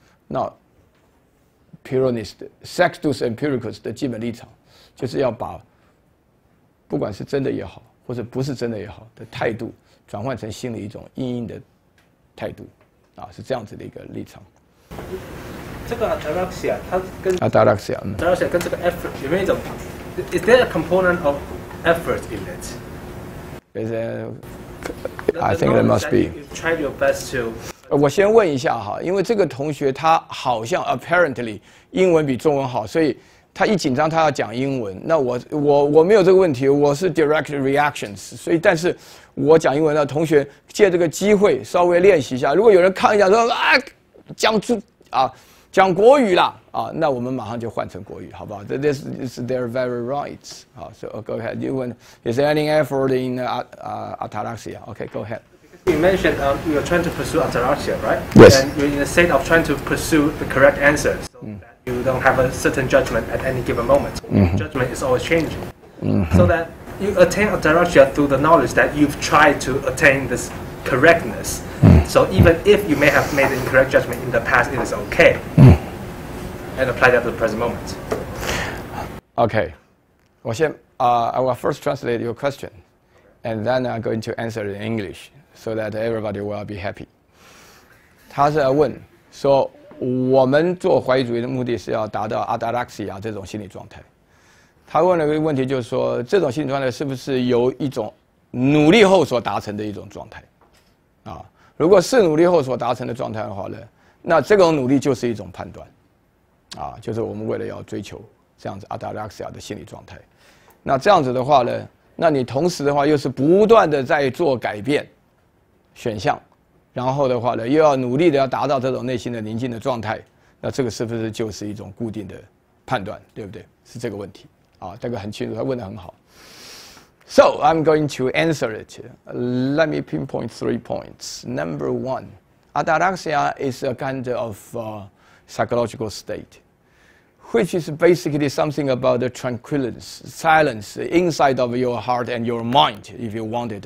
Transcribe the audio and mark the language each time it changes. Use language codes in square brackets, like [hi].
[zh] 那 Pyrrhonis 的 Sextus Empiricus 的基本立场，就是要把不管是真的也好，或者不是真的也好的态度，转换成心理一种阴阴的态度，啊，是这样子的一个立场。这个 ataraxia 它跟 [en] ataraxia [zh] 跟这个 effort 有没有一种 [en] ？Is there a component of effort in it? I think it must be. Try your best to. [zh] 我先问一下哈，因为这个同学他好像 apparently 英文比中文好，所以他一紧张他要讲英文。那我没有这个问题，我是 [en] direct reactions， [zh] 所以但是我讲英文的同学借这个机会稍微练习一下。如果有人看一下说啊，讲出啊，讲国语啦啊，那我们马上就换成国语，好不好 ？ [en] This is their very rights. [zh] 好 ， [en] So go ahead. You want is there any effort in ataraxia? Okay, go ahead. You mentioned you're trying to pursue ataraxia, right? Yes. And you're in the state of trying to pursue the correct answer, so that you don't have a certain judgment at any given moment. Judgment is always changing. So that you attain ataraxia through the knowledge that you've tried to attain this correctness. So even if you may have made an incorrect judgment in the past, it is okay. And apply that to the present moment. Okay. [zh] 我先, [en] I will first translate your question. And then I'm going to answer it in English so that everybody will be happy. [zh] 他是在问说我们做怀疑主义的目的是要达到 ataraxia 这种心理状态。他问了一个问题，就是说这种心理状态是不是由一种努力后所达成的一种状态啊？如果是努力后所达成的状态的话呢，那这种努力就是一种判断啊，就是我们为了要追求这样子 ataraxia 的心理状态。那这样子的话呢，那你同时的话又是不断的在做改变选项，然后的话呢又要努力的要达到这种内心的宁静的状态，那这个是不是就是一种固定的判断，对不对？是这个问题啊，这个很清楚，他问得很好。 [en] So, I'm going to answer it. Let me pinpoint three points. Number one, ataraxia is a kind of psychological state, which is basically something about the tranquility, silence inside of your heart and your mind, if you want it.